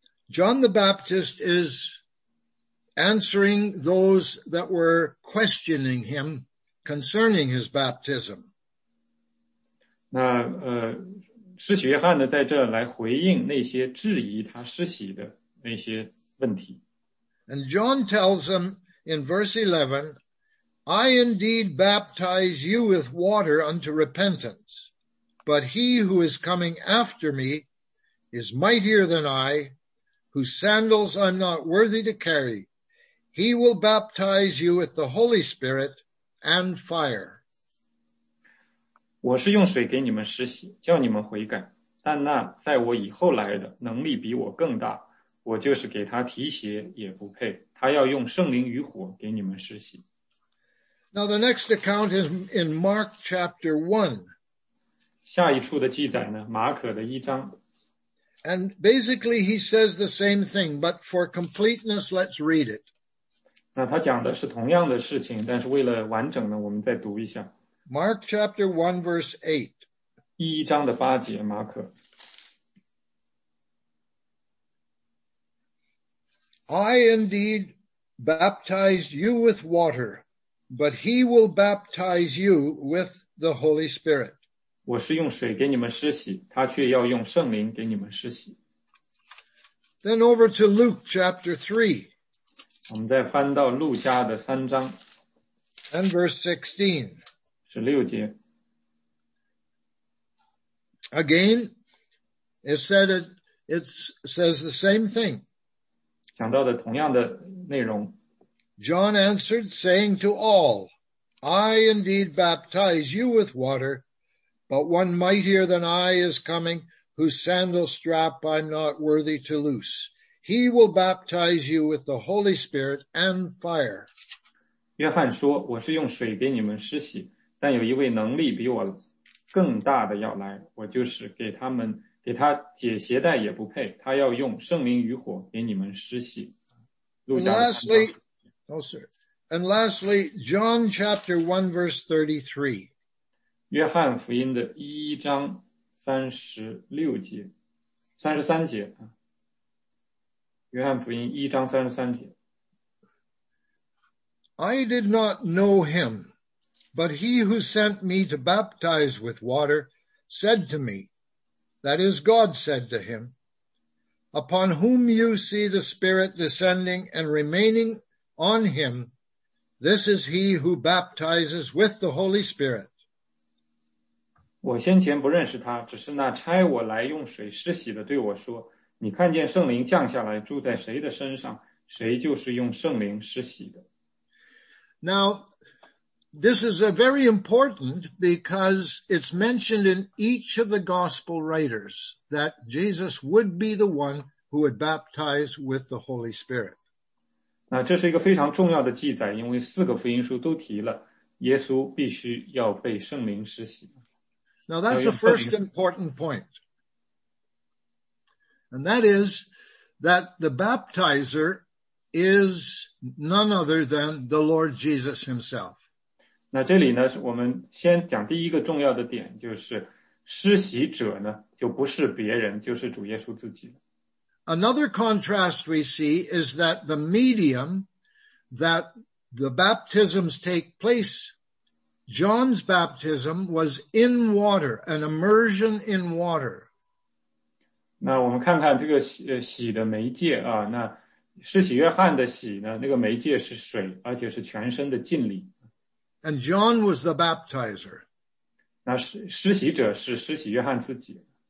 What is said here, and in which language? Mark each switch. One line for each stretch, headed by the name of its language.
English: John the Baptist is answering those that were questioning him concerning his baptism.
Chinese: 那施洗约翰呢，在这来回应那些质疑他施洗的那些问题。
English: And John tells them in verse 11, I indeed baptize you with water unto repentance, but he who is coming after me is mightier than I, whose sandals I'm not worthy to carry. He will baptize you with the Holy Spirit and fire.
Chinese: 我是用水给你们施洗，叫你们悔改。但那在我以后来的，能力比我更大，我就是给他提鞋也不配。他要用圣灵与火给你们施洗。
English: Now the next account is in Mark chapter 1.
Chinese: 下一处的记载呢，马可的一章。
English: And basically he says the same thing, but for completeness, let's read it.
Chinese: 那他讲的是同样的事情，但是为了完整呢，我们再读一下。
English: Mark chapter 1 verse 8.
Chinese: 第一章的八节，马可。
English: I indeed baptized you with water, but he will baptize you with the Holy Spirit.
Chinese: 我是用水给你们施洗，他却要用圣灵给你们施洗。
English: Then over to Luke chapter 3.
Chinese: 我们再翻到路加的三章。
English: And verse 16.
Chinese: 十六节。
English: Again, it says the same thing.
Chinese: 讲到的同样的内容。
English: John answered, saying to all, I indeed baptize you with water, but one mightier than I is coming, whose sandal strap I'm not worthy to loose. He will baptize you with the Holy Spirit and fire.
Chinese: 约翰说，我是用水给你们施洗，但有一位能力比我更大的要来，我就是给他解鞋带也不配，他要用圣灵与火给你们施洗。路加。
English: And lastly, John chapter 1 verse 33.
Chinese: 约翰福音的一章33节。约翰福音一章33节。
English: I did not know him. But he who sent me to baptize with water said to me, that is God said to him, upon whom you see the Spirit descending and remaining on him, this is he who baptizes with the Holy Spirit.
Chinese: 我先前不认识他，只是那差我来用水施洗的对我说，你看见圣灵降下来住在谁的身上，谁就是用圣灵施洗的。
English: Now,This is a very important because it's mentioned in each of the gospel writers that Jesus would be the one who would baptize with the Holy Spirit.
Chinese: 那这是一个非常重要的记载，因为四个福音书都提了耶稣必须要被圣灵施洗。
English: Now that's the first important point. And that is that the baptizer is none other than the Lord Jesus himself.
Chinese: 那这里呢，我们先讲第一个重要的点，就是施洗者呢，就不是别人，就是主耶稣自己。
English: Another contrast we see is that the medium that the baptisms take place, John's baptism was in water, an immersion in water.
Chinese: 那我们看看这个洗的媒介啊，那施洗约翰的洗呢，那个媒介是水，而且是全身的浸礼。
English: And John was the baptizer.
Chinese: 那施洗者是施洗约翰自己。